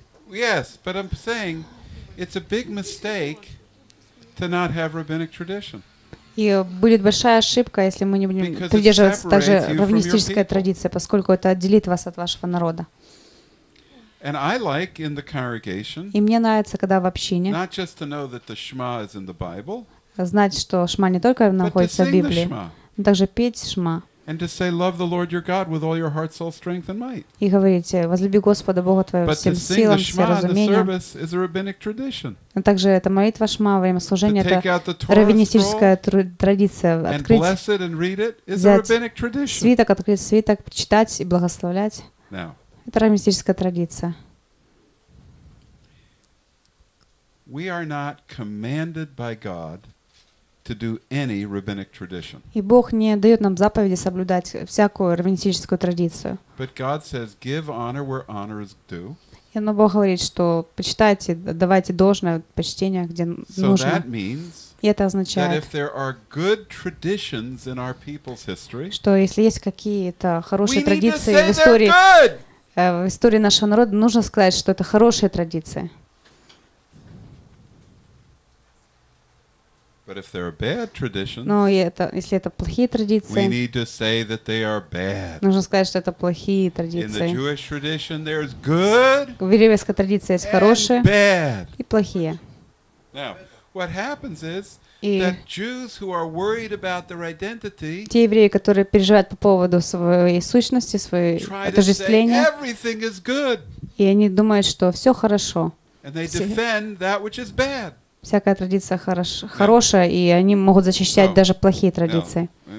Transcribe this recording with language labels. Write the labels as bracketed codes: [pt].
[en] Yes, but I'm saying it's a big mistake to not have rabbinic tradition. [ru] И будет большая ошибка, если мы не будем придерживаться также раввинистической традиции, поскольку это отделит вас от вашего народа. [en] And I like in the congregation. [ru] И мне нравится, когда в общине. [en] Not just to know that the Shema is in the Bible. [ru] Знать, что Шма не только находится в Библии, но также петь Шма. [en] And to say, "Love the Lord your God with all your heart, soul, strength, and might." [ru] И говорите, возлюби Господа Бога твоего всем силам, всем разумением. [en] But to sing the Shema in the service is a rabbinic tradition. [ru] А также это молитва Шма во время служения это раввинистическая традиция. [en] And bless it and read it is a rabbinic tradition. [ru] Свиток открыть, свиток прочитать и благословлять. [en] Now. [ru] Это раввинистическая традиция. [en] We are not commanded by God. To do any rabbinic tradition. [ru] И Бог не дает нам заповеди соблюдать всякую раввинистическую традицию. [en] But God says, "Give honor where honor is due." [ru] Но Бог говорит, что почитайте, давайте должное почтение, где нужно. [en] So that means. [ru] И это означает. [en] That if there are good traditions in our people's history. [ru] Что если есть какие-то хорошие традиции в истории. В истории нашего народа нужно сказать, что это хорошие традиции. [en] But if there are bad traditions, [ru] но это, если это плохие традиции, [en] we need to say that they are bad. [ru] Нужно сказать, что это плохие традиции. [en] In the Jewish tradition, there is good. [ru] В еврейской традиции есть хорошие [en] bad. [ru] И плохие. [en] Now, what happens is that Jews who are worried about their identity, [ru] те евреи, которые переживают по поводу своей сущности, своего отождествления, [en] everything is good. [ru] И они думают, что все хорошо. [en] And they defend that which is bad. [ru] Всякая традиция хорошая, и они могут защищать даже плохие традиции.